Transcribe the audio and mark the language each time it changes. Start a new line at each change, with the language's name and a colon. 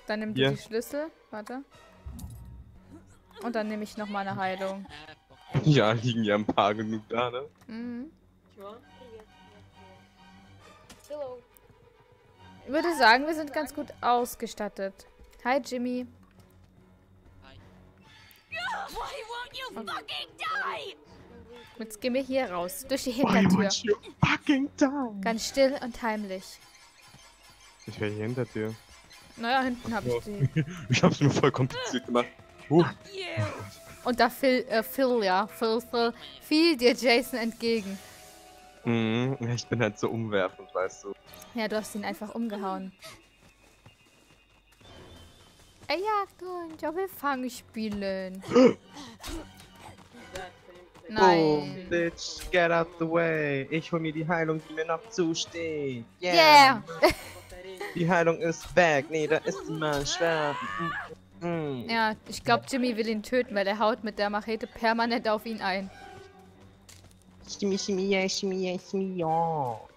German: Dann nimm hier. Du die Schlüssel. Warte. Und dann nehme ich nochmal eine Heilung. Ja, liegen ja ein paar genug da, ne?
English: Hello.
German: Ich würde sagen, wir sind ganz gut ausgestattet.
English: Hi, Jimmy. Why won't you fucking die?
German: Jetzt gehen wir hier raus, durch die Hintertür.
English: Why won't you fucking die?
German: Ganz still und heimlich. Ich wäre hier hinter dir. Naja, hinten habe ich die. Ich habe es nur voll kompliziert gemacht. Und da fiel dir Jason entgegen. Ich bin halt so umwerfend, weißt du. Ja, du hast ihn einfach umgehauen. Ey, ja, du, ich will Fang spielen. Nein.
English: Boom, bitch, get out the way.
German: Ich hol mir die Heilung, die mir noch zusteht.
English: Yeah.
German: Die Heilung ist back. Nee, da ist mein Schwert. Ja, ich glaube, Jimmy will ihn töten, weil er haut mit der Machete permanent auf ihn ein. Schmi, schmi, ja, schmi, ja, schmi, ja.